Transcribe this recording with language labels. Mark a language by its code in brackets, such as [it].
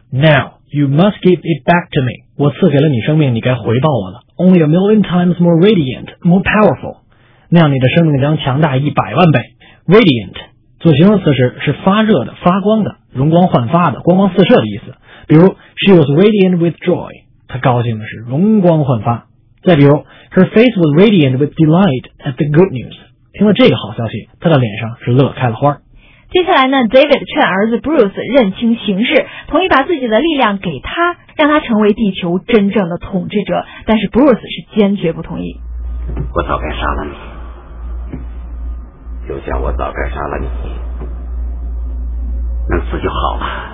[en] Now you must give it back to me. [zh] 我赐给了你生命，你该回报我了。 [en] Only a million times more radiant, more powerful. [zh] 那样你的生命将强大100万倍。 Radiant 做形容词时是发热的、发光的、容光焕发的、光光四射的意思。比如 ， [en] She was radiant with joy. [zh] 她高兴的是容光焕发。再比如 [en] ，Her face was radiant with delight at the good news. [zh] 听了这个好消息，她的脸上是乐开了花。接下来呢 ，David 劝儿子 Bruce 认清形势，同意把自己的力量给他，让他成为地球真正的统治者。但是 Bruce 是坚决不同意。我早该杀了你，就像我早该杀了你，能死就好了。